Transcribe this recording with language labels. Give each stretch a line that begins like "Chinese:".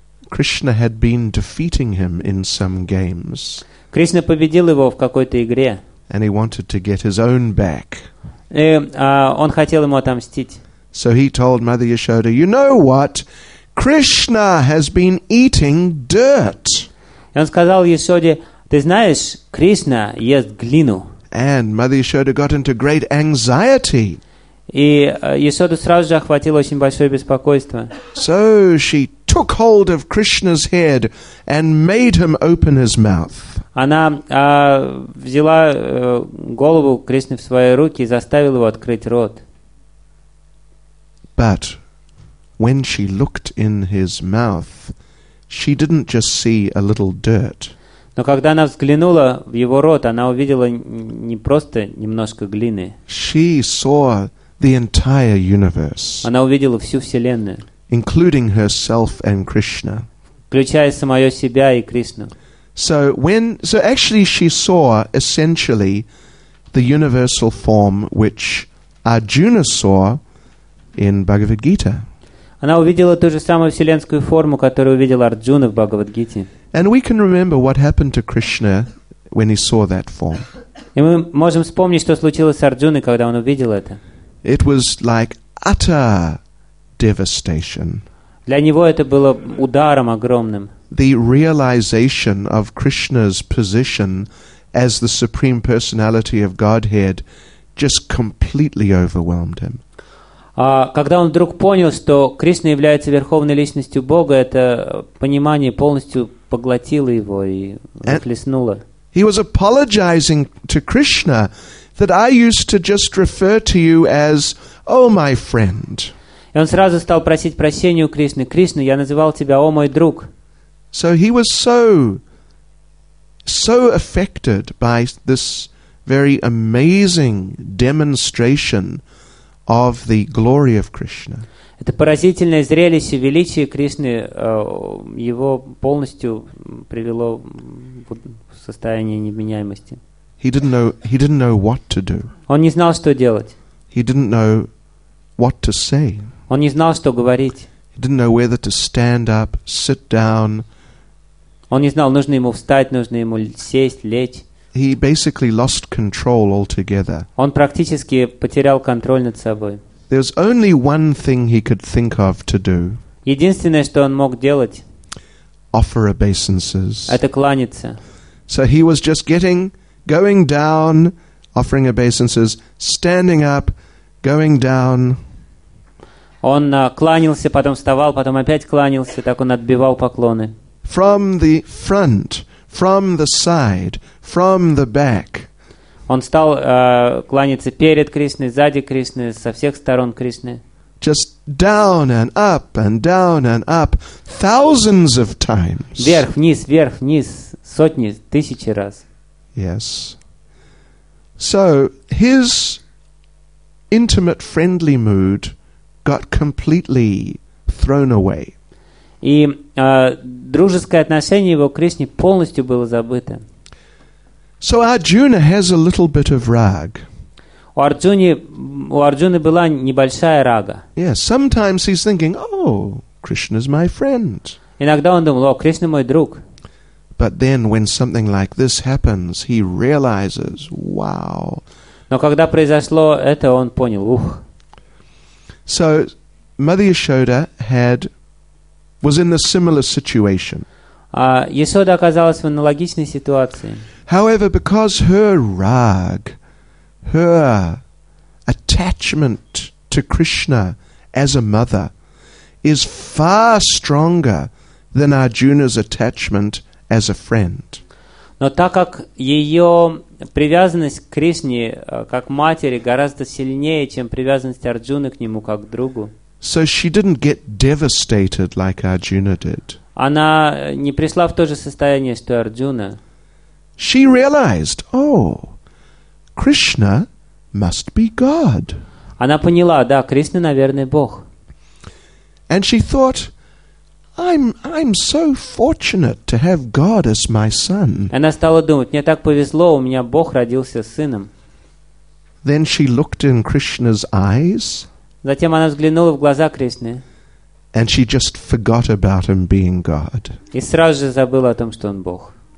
English: Krishna had been defeating him in some games.
Russian: Кришна победил его в какой-то игре.
English: And he wanted to get his own back.
Russian: И он хотел ему отомстить.
English: So he told Mother Yashoda, "You know what? Krishna has been eating dirt."
Russian: И он сказал Яшоде, "Ты знаешь, Кришна ест глину."
English: And Mother Yashoda got into great anxiety.
Russian: И Ясоду сразу же охватило очень большое беспокойство.
English: So she took hold of Krishna's head and made him open his mouth.
Russian: Она взяла голову Кришны в свои руки и заставила его открыть рот.
English: But when she looked in his mouth, she didn't just see a little dirt.
Russian: Но когда она взглянула в его рот, она увидела не просто немножко глины.
English: She saw the entire universe.
Russian: Она увидела всю вселенную.
English: Including herself and Krishna.
Russian: Включая самого себя и Кришну.
English: So when, so actually she saw essentially the universal form which Arjuna saw in Bhagavad Gita.
Russian: Она увидела ту же самую вселенскую форму, которую увидел Арджуна в Бхагавад-гите.
English: And we can remember what happened to Krishna when he saw that form.
Russian: И мы можем вспомнить, что случилось с Арджуной, когда он увидел это.
English: It was like utter devastation.
Russian: Для него это было ударом огромным.
English: The realization of Krishna's position as the Supreme Personality of Godhead just completely overwhelmed him.
Russian: Когда он вдруг понял, что Кришна является верховной личностью Бога, это понимание полностью поглотило его и захлестнуло.
English: He was apologizing to Krishna that I used to just refer to you as, oh, my friend.
Russian: И он сразу стал просить прощения у Кришны. Кришна, я называл тебя, о, мой друг.
English: So he was so affected by this very amazing demonstration of the glory of Krishna.
Russian: Это поразительное зрелище величия Кришны его полностью привело в состояние невменяемости.
English: He didn't know what to do.
Russian: Он не знал, что делать.
English: He didn't know what to say.
Russian: Он не знал, что говорить.
English: He didn't know whether to stand up, sit down.
Russian: Он не знал, нужно ему встать, нужно ему сесть, лечь.
English: He basically lost control altogether.
Russian: Он практически потерял контроль над собой.
English: There's only one thing he could think of to do.
Russian: Единственное, что он мог делать,
English: offer obeisances.
Russian: Это кланяться.
English: So he was just going down, offering obeisances, standing up, going down.
Russian: Он кланялся, потом вставал, потом опять кланялся, так он отбивал поклоны.
English: From the front, from the side, from the back.
Russian: Он стал кланяться перед Кришной, сзади Кришны, со всех сторон Кришны.
English: Just down and up and down and up thousands of times.
Russian: Вверх, вниз, сотни, тысячи раз.
English: Yes. So his intimate friendly mood got completely thrown away.
Russian: И дружеское отношение его к Кришне полностью было забыто.
English: So Arjuna has a little bit of rag.
Russian: У Арджуны была небольшая рага.
English: Yes, sometimes he's thinking, oh, Krishna's my friend.
Russian: Иногда он думал, о, Кришна мой друг.
English: But then when something like this happens, he realizes, wow.
Russian: Но когда произошло это, он понял, ух.
English: So Mother Yashoda was in a similar situation.
Russian: Ясода оказалась в аналогичной ситуации.
English: However, because her rag, her attachment to Krishna as a mother, is far stronger than Arjuna's attachment as a friend.
Russian: Но так как ее привязанность к Кришне как матери гораздо сильнее, чем привязанность Арджуны к нему как другу.
English: So she didn't get devastated like Arjuna did.
Russian: Она не пришла в то же состояние, что Арджуна.
English: She realized, oh, Krishna must be God.
Russian: Она поняла, да, Кришна, наверное, Бог.
English: And she thought, I'm so fortunate to have God as my son.
Russian: Она стала думать, мне так повезло, у меня Бог родился сыном.
English: Then she looked in Krishna's eyes.
Russian: Затем она взглянула в глаза Кришны.
English: And she just forgot about him being God.
Russian: И сразу же забыла о том, что он Бог.